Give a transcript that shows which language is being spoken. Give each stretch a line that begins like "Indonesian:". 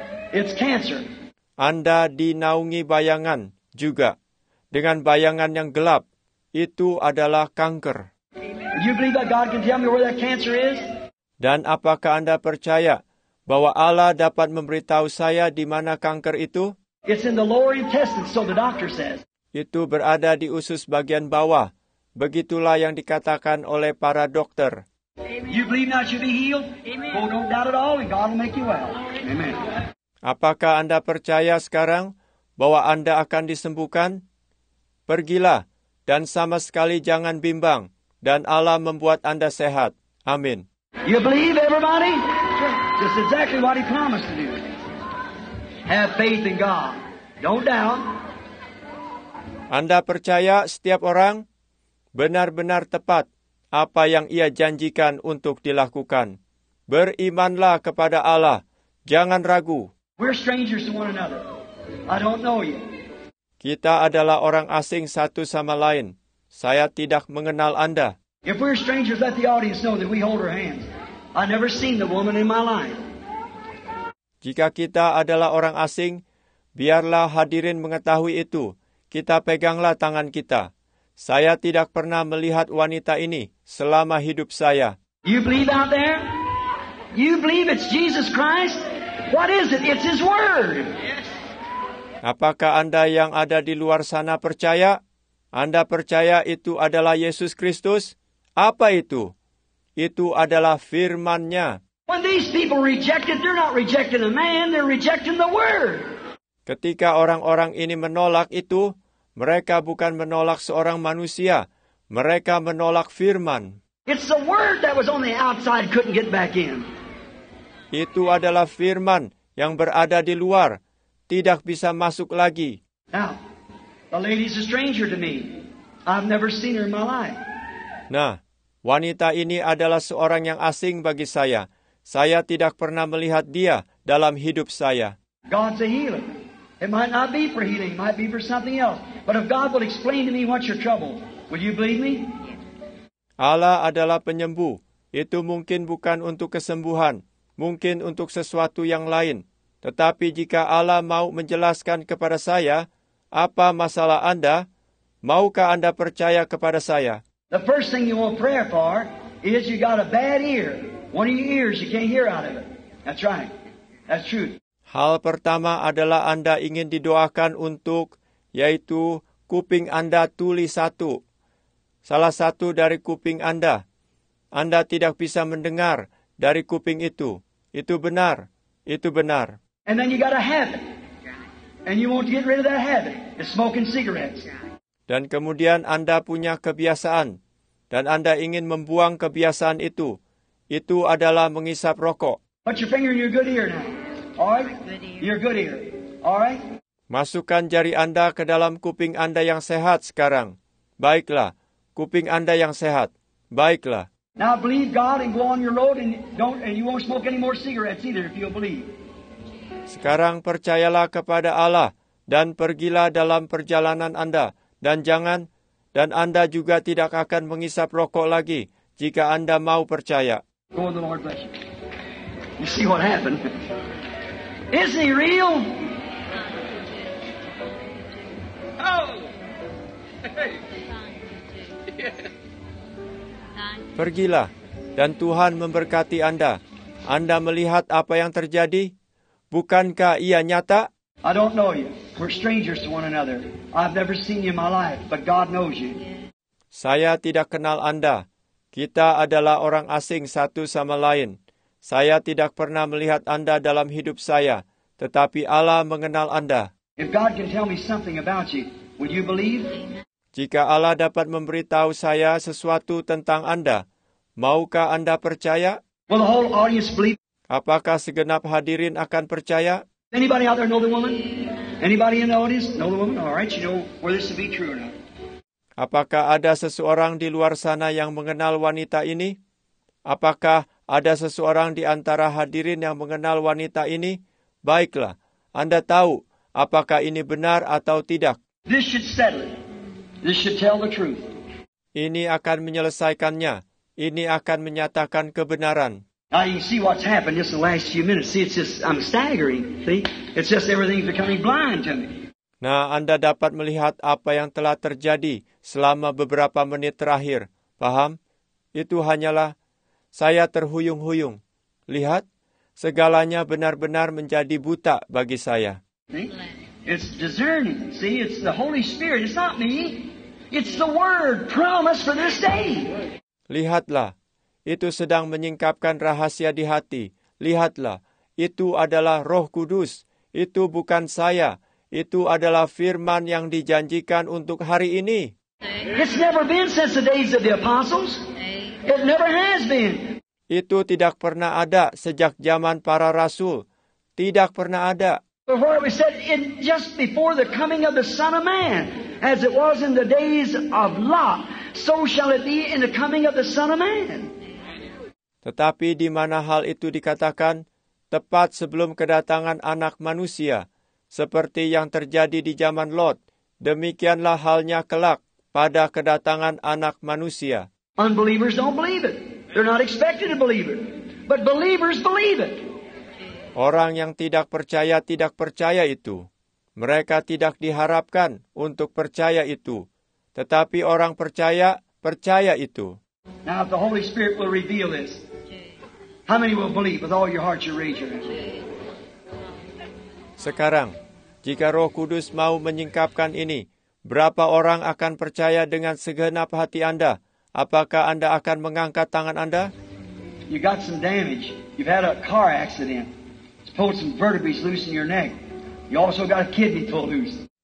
English: It's cancer.
Indonesian: Anda dinaungi bayangan juga. Dengan bayangan yang gelap, itu adalah kanker.
English: You believe that God can tell me where that cancer is?
Indonesian: Dan apakah Anda percaya bahwa Allah dapat memberitahu saya di mana kanker itu?
English: It's in the lower intestines, so the doctor says.
Indonesian: Itu berada di usus bagian bawah. Begitulah yang dikatakan oleh para dokter.
English: Amen. You believe now should be healed? Amen. Oh, don't doubt it all and God will make you well. Amen.
Indonesian: Apakah Anda percaya sekarang bahwa Anda akan disembuhkan? Pergilah dan sama sekali jangan bimbang dan Allah membuat Anda sehat. Amin.
English: You believe everybody? This is exactly what he promised to do. Have faith in God. Don't doubt.
Indonesian: Anda percaya setiap orang benar-benar tepat apa yang ia janjikan untuk dilakukan. Berimanlah kepada Allah. Jangan ragu.
English: We're strangers to one another. I don't know you.
Indonesian: Kita adalah orang asing satu sama lain. Saya tidak mengenal Anda.
English: If we're strangers, let the audience know that we hold our hands. I never seen the woman in my life.
Indonesian: Jika kita adalah orang asing, biarlah hadirin mengetahui itu. Kita peganglah tangan kita. Saya tidak pernah melihat wanita ini selama hidup saya.
English: You believe out there? You believe it's Jesus Christ? What is it? It's his word.
Indonesian: Apakah Anda yang ada di luar sana percaya? Anda percaya itu adalah Yesus Kristus? Apa itu? Itu adalah firman-Nya.
English: When these people rejected, they're not rejecting a man, they're rejecting the word.
Indonesian: Ketika orang-orang ini menolak itu, mereka bukan menolak seorang manusia, mereka menolak firman.
English: It's the word that was on the outside couldn't get back in.
Indonesian: Itu adalah firman yang berada di luar, tidak bisa masuk lagi.
English: Now, the lady's a stranger to me. I've never seen her in my life.
Indonesian: Nah, wanita ini adalah seorang yang asing bagi saya. Saya tidak pernah melihat dia dalam hidup saya.
English: God's a healer. It might not be for healing, it might be for something else. But if God will explain to me what's your trouble, will you believe me?
Indonesian: Allah adalah penyembuh. Itu mungkin bukan untuk kesembuhan, mungkin untuk sesuatu yang lain. Tetapi jika Allah mau menjelaskan kepada saya, apa masalah Anda? Maukah Anda percaya kepada saya?
English: The first thing you want prayer for is you got a bad ear. One of your ears you can't hear out of it. That's right. That's true.
Indonesian: Hal pertama adalah Anda ingin didoakan untuk, yaitu kuping Anda tuli satu. Salah satu dari kuping Anda. Anda tidak bisa mendengar dari kuping itu. Itu benar. Itu benar.
English: And then you got a habit. And you want to get rid of that habit. It's smoking cigarettes.
Indonesian: Dan kemudian Anda punya kebiasaan. Dan Anda ingin membuang kebiasaan itu. Itu adalah menghisap rokok.
English: Put your finger in your good ear now. All right? Your good ear. All right?
Indonesian: Masukkan jari Anda ke dalam kuping Anda yang sehat sekarang. Baiklah. Kuping Anda yang sehat. Baiklah.
English: Now believe God and go on your road and don't and you won't smoke any more cigarettes either if you believe.
Indonesian: Sekarang percayalah kepada Allah dan pergilah dalam perjalanan Anda dan jangan dan Anda juga tidak akan menghisap rokok lagi jika Anda mau percaya.
English: Go on, the Lord bless you. You see what happened? Is he real? Oh. Hey.
Indonesian: Pergilah, dan Tuhan memberkati Anda. Anda melihat apa yang terjadi? Bukankah ia nyata?
English: I don't know you. We're strangers to one another. I've never seen you in my life, but God knows you.
Indonesian: Saya tidak kenal Anda. Kita adalah orang asing satu sama lain. Saya tidak pernah melihat Anda dalam hidup saya, tetapi Allah mengenal Anda.
English: If God can tell me something about you, would you believe?
Indonesian: Jika Allah dapat memberitahu saya sesuatu tentang Anda, maukah Anda percaya?
English: Will the whole audience believe?
Indonesian: Apakah segenap hadirin akan percaya?
English: Anybody out there know the woman? Anybody in the audience know the woman? All right, you know where this will be true or not.
Indonesian: Apakah ada seseorang di luar sana yang mengenal wanita ini? Apakah ada seseorang di antara hadirin yang mengenal wanita ini? Baiklah, Anda tahu apakah ini benar atau tidak.
English: This should settle it. This should tell the truth.
Indonesian: Ini akan menyelesaikannya. Ini akan menyatakan kebenaran.
English: Now you see what's happened just the last few minutes. See, it's just, I'm staggering. See, it's just everything's becoming blind to me.
Indonesian: Nah, Anda dapat melihat apa yang telah terjadi selama beberapa menit terakhir. Paham? Itu hanyalah saya terhuyung-huyung. Lihat, segalanya benar-benar menjadi buta bagi saya.
English: It's discerning. See, it's the Holy Spirit. It's not me. It's the Word promised for this day.
Indonesian: Lihatlah, itu sedang menyingkapkan rahasia di hati. Lihatlah, itu adalah Roh Kudus. Itu bukan saya. Itu adalah firman yang dijanjikan untuk hari ini.
English: It's never been since the days of the apostles. It never has been.
Indonesian: Itu tidak pernah ada sejak zaman para rasul. Tidak pernah ada.
English: Before we said in just before the coming of the Son of Man, as it was in the days of Lot, so shall it be in the coming of the Son of Man.
Indonesian: Tetapi di mana hal itu dikatakan, tepat sebelum kedatangan Anak Manusia, seperti yang terjadi di zaman Lot, demikianlah halnya kelak pada kedatangan Anak Manusia.
English: Unbelievers don't believe it. They're not expected to believe it. But believers believe it.
Indonesian: Orang yang tidak percaya itu. Mereka tidak diharapkan untuk percaya itu. Tetapi orang percaya, percaya itu.
English: Now if the Holy Spirit will reveal this, how many will believe with all your heart you raise your hand?
Indonesian: Sekarang, jika Roh Kudus mau menyingkapkan ini, berapa orang akan percaya dengan segenap hati Anda? Apakah Anda akan mengangkat tangan Anda?
English: You got some damage. You've had a car accident. Pulled some vertebrae loose in your neck. You also got a kidney pulled loose.